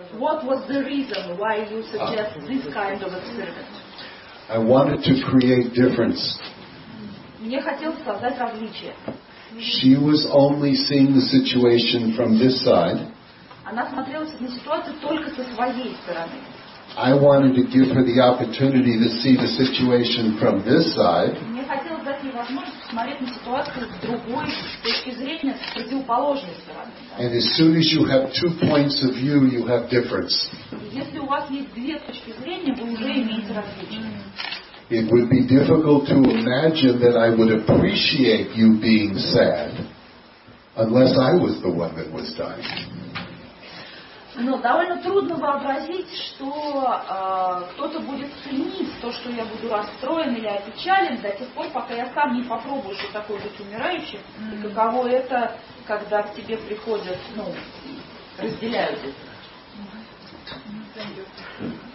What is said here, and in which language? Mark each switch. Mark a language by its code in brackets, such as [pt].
[en] What was the reason why you suggest this kind of experiment? I wanted to create difference. [ru] Мне хотелось создать различие. [en] She was only seeing the situation from this side. [ru] Она смотрела на ситуацию только со своей стороны. [en] I wanted to give her the opportunity to see the situation from this side. [ru] Мне хотелось дать ей возможность посмотреть на ситуацию с другой точки зрения, с противоположной стороны. [en] And as soon as you have two points of view, you have difference. [ru] Если у вас есть две точки зрения, вы уже имеете различие. [en] It would be difficult to imagine that I would appreciate you being sad unless I was the one that was dying. [ru] Но довольно трудно вообразить, что кто-то будет ценить то, что я буду расстроен или опечален до тех пор, пока я сам не попробую, что такое быть умирающим. И каково это, когда к тебе приходят, ну, разделяют это.